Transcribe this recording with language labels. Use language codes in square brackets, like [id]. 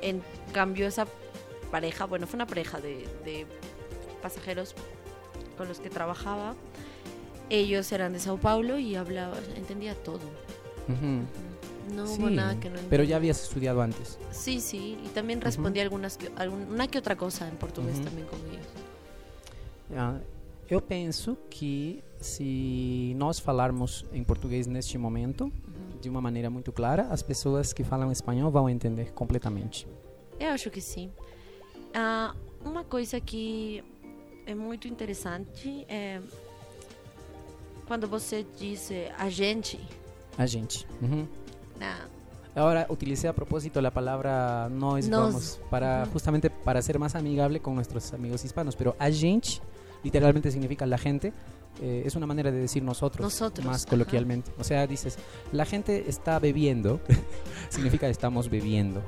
[es] En cambio, esa pareja, bueno, fue una pareja de pasajeros con los que trabajaba. Ellos eran de Sao Paulo y hablaba, entendía todo. Uh-huh. No sí, hubo nada que no entiendo. Pero ya habías estudiado antes. Sí, sí, y también respondí uh-huh. Una que otra cosa en portugués uh-huh. también con ellos. [pt] Eu penso que se nós falarmos em português neste momento, uh-huh. de uma maneira muito clara, as pessoas que falam espanhol vão entender completamente. Eu acho que sim. Uma coisa que é muito interessante é quando você diz a gente. A gente. Uhum. Nah. [es] Ahora utilicé a propósito la palabra nos. Para uh-huh. justamente para ser más amigable con nuestros amigos hispanos. Pero a gente literalmente significa la gente, es una manera de decir nosotros más coloquialmente. Uh-huh. O sea, dices la gente está bebiendo, significa estamos bebiendo.